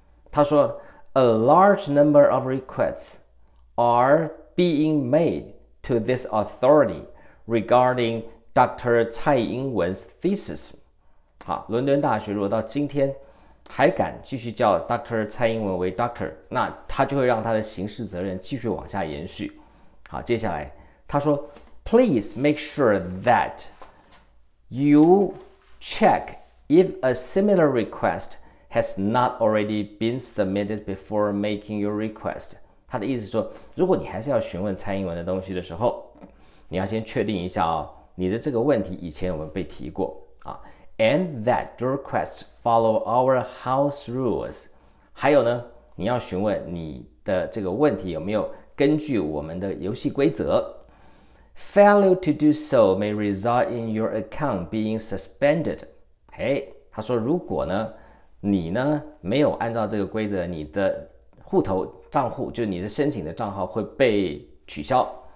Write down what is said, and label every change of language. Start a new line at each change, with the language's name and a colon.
Chinese: 他说
English: A large number of requests are being made to this authorityregarding Dr. 蔡英文's thesis.
Chinese: 好，伦敦大学如果到今天还敢继续叫 Dr. 蔡英文为 Doctor， 那他就会让他的刑事责任继续往下延续。好，接下来他说
English: Please make sure that you check if a similar request has not already been submitted before making your request.
Chinese: 他的意思说，如果你还是要询问蔡英文的东西的时候，你要先确定一下你的这个问题以前有没有被提过啊。
English: And that your request follow our house rules.
Chinese: 还有呢，你要询问你的这个问题有没有根据我们的游戏规则。
English: Failure to do so may result in your account being suspended.
Chinese: 他说如果呢，你呢没有按照这个规则，你的户头账户，就是你的申请的账号会被取消。